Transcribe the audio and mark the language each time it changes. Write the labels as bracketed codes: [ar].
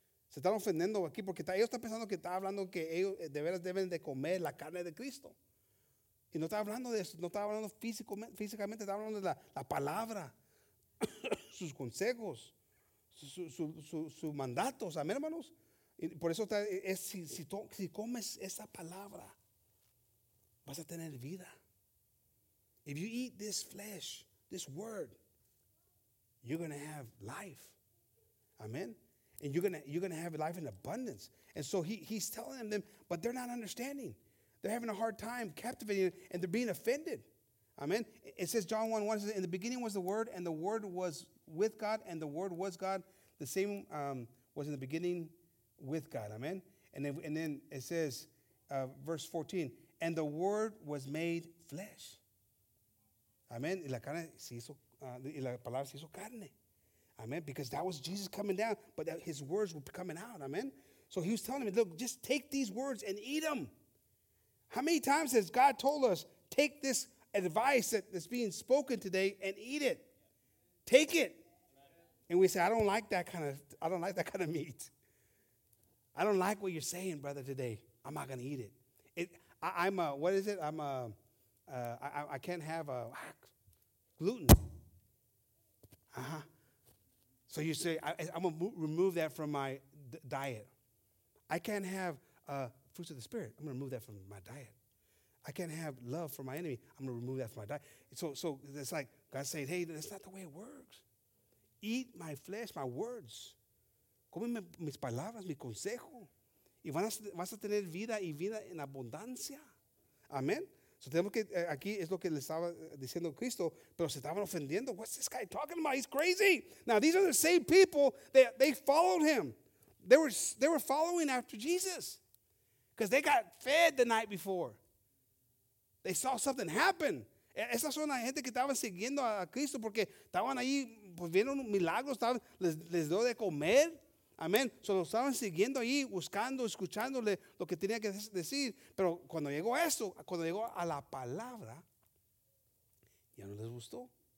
[es] Se están ofendiendo aquí porque ellos están pensando que está hablando que ellos de veras deben de comer la carne de Cristo. Y no está hablando de eso. No está hablando físicamente. Está hablando de la palabra, sus consejos, sus mandatos. Amén, hermanos. Y por eso si comes esa palabra, vas a tener vida. [en] If you eat this flesh, this word, you're going to have life. Amen? And you're gonna have life in abundance. And so he's telling them, but they're not understanding. They're having a hard time captivating, and they're being offended. Amen? It says, John 1:1, in the beginning was the Word, and the Word was with God, and the Word was God. The same was in the beginning with God. Amen? And then it says, verse 14, and the Word was made flesh. Amen. [es] Y la carne se hizo, y la palabra se hizo carne. [en] Amen. Because that was Jesus coming down, but that his words were coming out. Amen. So he was telling him, look, just take these words and eat them. How many times has God told us, take this advice that's being spoken today and eat it. Take it. And we say, I don't like that kind of meat. I don't like what you're saying, brother, today. I'm not going to eat it. I can't have gluten. Uh-huh. So you say, I'm going to remove that from my diet. I can't have fruits of the Spirit. I'm going to remove that from my diet. I can't have love for my enemy. I'm going to remove that from my diet. So it's like God's saying, hey, that's not the way it works. Eat my flesh, my words. [es] Come mis palabras, mi consejo. Y vas a tener vida y vida en abundancia. Amén. So tenemos que, aquí es lo que le estaba diciendo Cristo, pero se estaban ofendiendo. [en] What's this guy talking about? He's crazy. Now, these are the same people that they followed him. They were following after Jesus because they got fed the night before. They saw something happen. [es] Esas son la gente que estaban siguiendo a Cristo porque estaban ahí, pues vieron milagros, estaban, les dio de comer. Amén. Solo estaban siguiendo ahí, buscando, escuchándole lo que tenía que decir. Pero cuando llegó a eso, cuando llegó a la palabra, ya no les gustó.